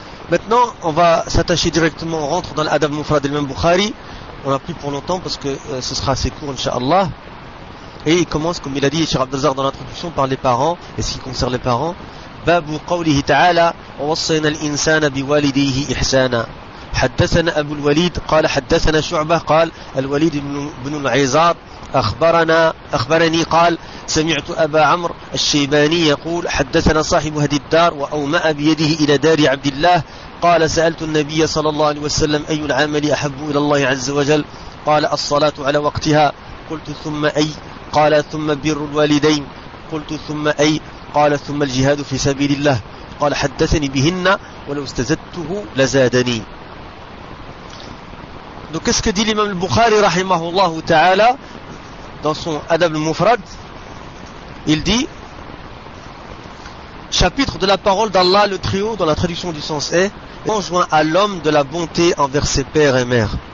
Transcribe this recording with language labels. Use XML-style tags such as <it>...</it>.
<fr>Maintenant, on va s'attacher directement, on rentre dans l'Adab al-Mufrad al-Imam Bukhari. On n'a plus pour longtemps parce que ce sera assez court, Inch'Allah. Et il commence, comme il a dit Cheikh Abdelzar dans l'introduction, par les parents, et ce qui concerne les parents.</fr> <ar>Babu qawlihi ta'ala, wa wassayna l'insana biwalidihi ihsana. حدثنا أبو الوليد قال حدثنا شعبة قال الوليد بن العيزار أخبرني قال سمعت أبا عمرو الشيباني يقول حدثنا صاحب هدي الدار وأومأ بيده إلى دار عبد الله قال سألت النبي صلى الله عليه وسلم أي العمل أحب إلى الله عز وجل قال الصلاة على وقتها قلت ثم أي قال ثم بر الوالدين قلت ثم أي قال ثم الجهاد في سبيل الله قال حدثني بهن ولو استزدته لزادني.</ar> <fr>Donc qu'est-ce que dit l'imam al-Bukhari rahimahullah ta'ala dans son Adab al-Mufrad? Il dit chapitre de la parole d'Allah le Très-Haut dans la traduction du sens est enjoint à l'homme de la bonté envers ses pères et mères.</fr>